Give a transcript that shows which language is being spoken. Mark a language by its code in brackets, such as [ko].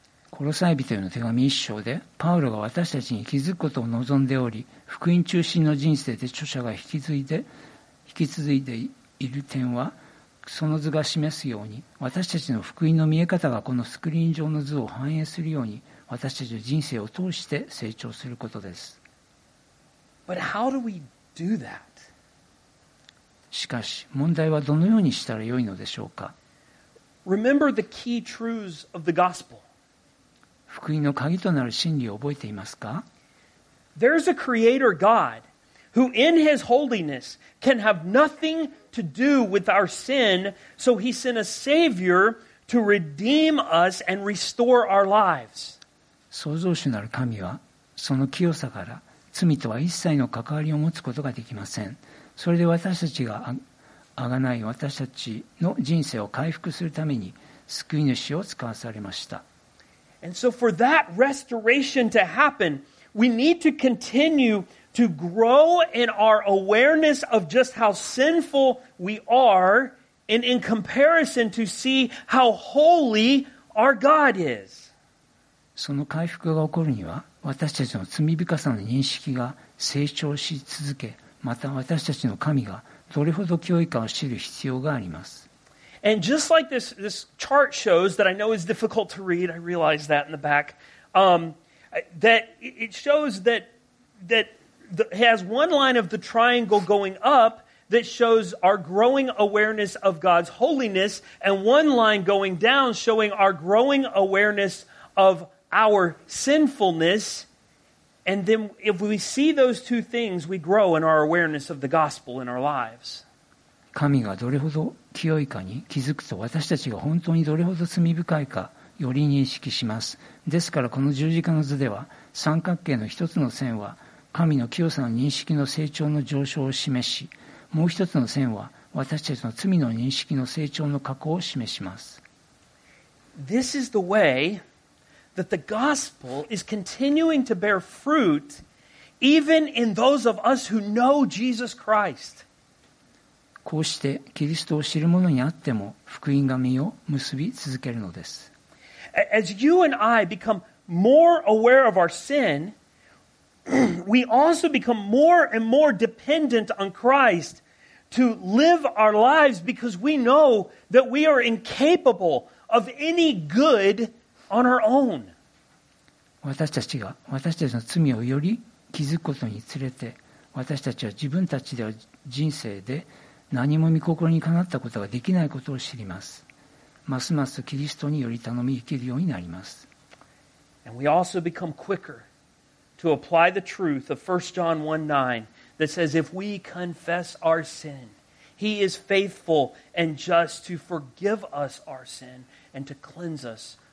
[ja] コロサイ人への手紙一章で、パウロが私たちに気づくことを望んでおり、福音中心の人生で著者が引き継いでいる点は、その図が示すように、私たちの福音の見え方がこのスクリーン上の図を反映するように、私たちの人生を通して成長することです。 [en] But how do we do that? [ja] しかし、問題はどのようにしたらよいのでしょうか。 [en] Remember the key truths of the gospel. [ja] 福音の鍵となる真理を覚えていますか。 [en] There's a creator God who in his holiness can have nothing to do with our sin, so he sent a savior to redeem us and restore our lives. [ja] 創造主なる神はその清さから罪とは一切の関わりを持つことができません。それで私たちがあがない、私たちの人生を回復するために救い主を使わされました。 [en] And so for that restoration to happen, we need to continue to grow in our awareness of just how sinful we are and in comparison to see how holy our God is. [ja] その回復が起こるには、私たちの罪深さの認識が成長し続け、また私たちの神がどれほど脅威かを知る必要があります。 [en] And just like this chart shows that I know is difficult to read, I realize that in the back, that it shows that it has one line of the triangle going up that shows our growing awareness of God's holiness, and one line going down showing our growing awareness of our sinfulness, and then if we see those two things, we grow in our awareness of the gospel in our lives. [ja] 神がどれほど清いかに気づくと、私たちが本当にどれほど罪深いかより認識します。ですからこの十字架の図では、三角形の一つの線は神の清さの認識の成長の上昇を示し、もう一つの線は私たちの罪の認識の成長の下降を示します。 [en] This is the way. That the gospel is continuing to bear fruit, even in those of us who know Jesus Christ. [ja] こうしてキリストを知る者にあっても福音が実を結び続けるのです。 [en] As you and I become more aware of our sin, we also become more and more dependent on Christ to live our lives because we know that we are incapable of any good. On our own. [ja] 私たちの罪をより気づくことにつれて、私たちは自分たちでは人生で何も御心にかなったことができないことを知ります。ますますキリストにより頼み生きるようになります。 [en] And we also become quicker to apply the truth of 1 John 1:9 that says, if we confess our sin, he is faithful and just to forgive us our sin and to cleanse us.